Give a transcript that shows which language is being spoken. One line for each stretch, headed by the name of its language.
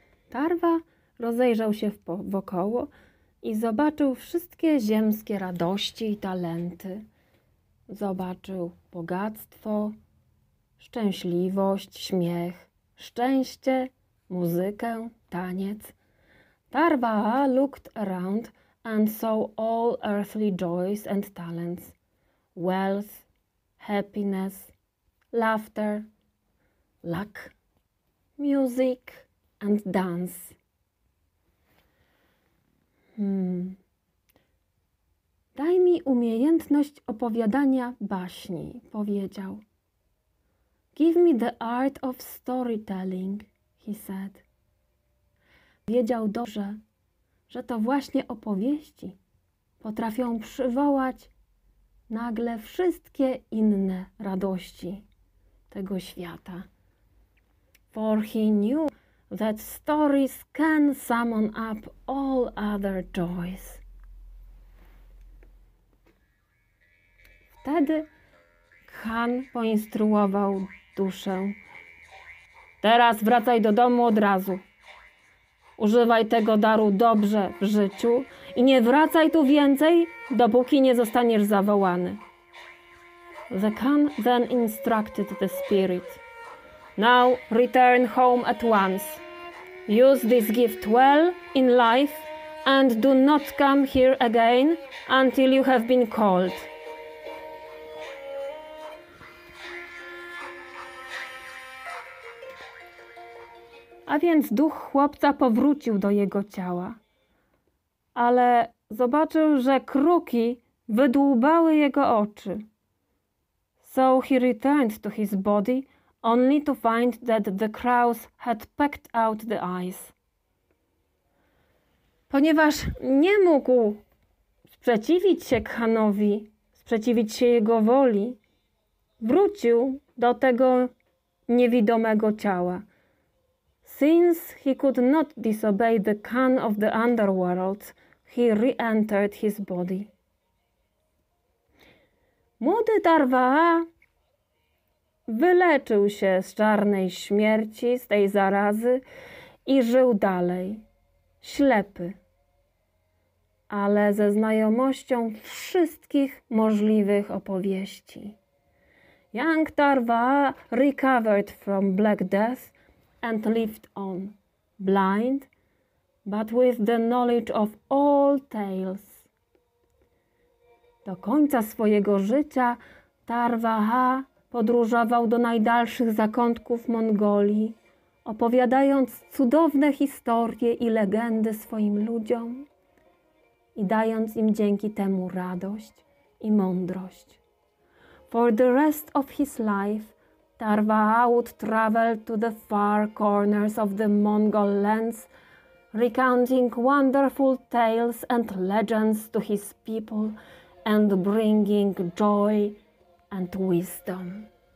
Polish: Tarva rozejrzał się wokoło i zobaczył wszystkie ziemskie radości i talenty. Zobaczył bogactwo, szczęśliwość, śmiech, szczęście, muzykę, taniec.
English: Tarva looked around and saw all earthly joys and talents. Wealth, happiness, laughter, luck, music and dance.
Polish: Daj mi umiejętność opowiadania baśni, powiedział.
English: Give me the art of storytelling, he said.
Polish: Wiedział dobrze, że to właśnie opowieści potrafią przywołać nagle wszystkie inne radości tego świata.
English: For he knew that stories can summon up all other joys.
Polish: Wtedy Khan poinstruował duszę. Teraz wracaj do domu od razu. Używaj tego daru dobrze w życiu i nie wracaj tu więcej, dopóki nie zostaniesz zawołany.
English: The Khan then instructed the spirit. Now return home at once. Use this gift well in life and do not come here again until you have been called.
Polish: A więc duch chłopca powrócił do jego ciała, ale zobaczył, że kruki wydłubały jego oczy.
English: So he returned to his body, only to find that the crows had pecked out the eyes.
Polish: Ponieważ nie mógł sprzeciwić się Khanowi, sprzeciwić się jego woli, wrócił do tego niewidomego ciała.
English: Since he could not disobey the Khan of the underworld, he re-entered his body.
Polish: Młody Tarvaha wyleczył się z czarnej śmierci, z tej zarazy i żył dalej, ślepy, ale ze znajomością wszystkich możliwych opowieści.
English: Young Tarvaha recovered from Black Death and lived on, blind, but with the knowledge of all tales.
Polish: Do końca swojego życia Tarvaha podróżował do najdalszych zakątków Mongolii, opowiadając cudowne historie i legendy swoim ludziom i dając im dzięki temu radość i mądrość.
English: For the rest of his life, Tarvaha would travel to the far corners of the Mongol lands, recounting wonderful tales and legends to his people and bringing joy and wisdom.